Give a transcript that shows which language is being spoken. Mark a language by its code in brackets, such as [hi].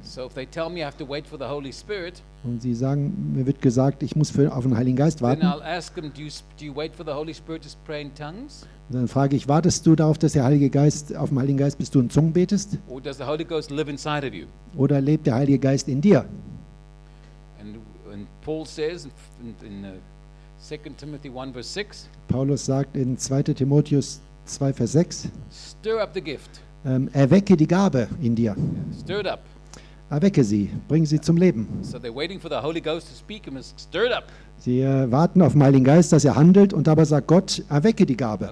[en] So if they tell me I have to wait for the Holy Spirit, [de] und sie sagen, mir wird gesagt, ich muss auf den Heiligen Geist warten, [en] then I'll ask them, do you wait for the Holy Spirit to pray in tongues? [de] Dann frage ich, wartest du darauf, dass der Heilige Geist auf dem Heiligen Geist, bist du in Zungen betest? [en] Or does the Holy Ghost live inside of you? [de] Oder lebt der Heilige Geist in dir? [en] Und Paul says in 2 Timothy 1, verse 6, [de] Paulus sagt in 2. Timotheus 2, Vers 6, [en] stir up the gift. [de] Erwecke die Gabe in dir. [en] Stir it up. [de] Erwecke sie, bring sie zum Leben. [en] So they're waiting for the Holy Ghost to speak and stir it up. [de] Sie warten auf den Heiligen Geist, dass er handelt, und dabei sagt Gott, erwecke die Gabe.